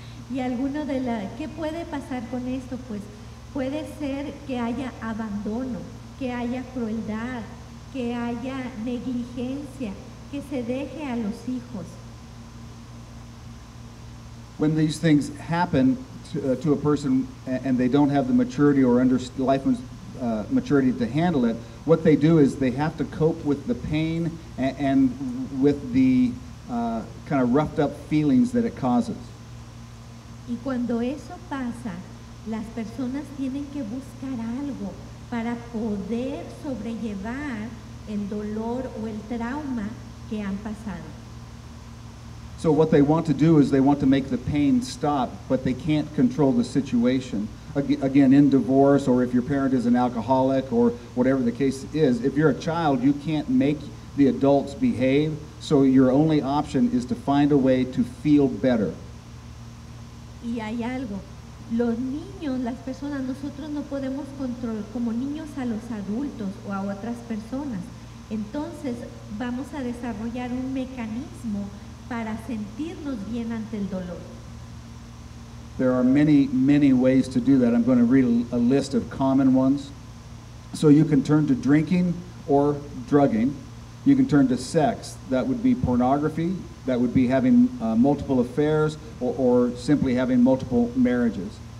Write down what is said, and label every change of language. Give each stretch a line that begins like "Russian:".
Spanish: Y alguno de la, ¿qué puede pasar con esto? Pues puede ser que haya abandono, que haya crueldad, que haya negligencia, que se deje a los hijos.
English: When these things happen to a person and they don't have the maturity or life maturity to handle it, what they do is they have to cope with the pain and with the kind of roughed up feelings that it causes.
Spanish: Y cuando eso pasa, las personas tienen que buscar algo para poder sobrellevar el dolor o el trauma que han pasado.
English: So what they want to do is they want to make the pain stop, but they can't control the situation. Again, in divorce, or if your parent is an alcoholic, or whatever the case is, if you're a child, you can't make the adults behave, so your only option is to find a way to feel better.
Spanish: Y hay algo, los niños, las personas, nosotros no podemos controlar como niños a los adultos o a otras personas. Entonces vamos a desarrollar un mecanismo para sentirnos bien ante el dolor.
English: There are many, many ways to do that. I'm going to read a list of common ones. So you can turn to drinking or drugging. You can turn to sex. That would be pornography. That would be having multiple affairs or simply having multiple marriages.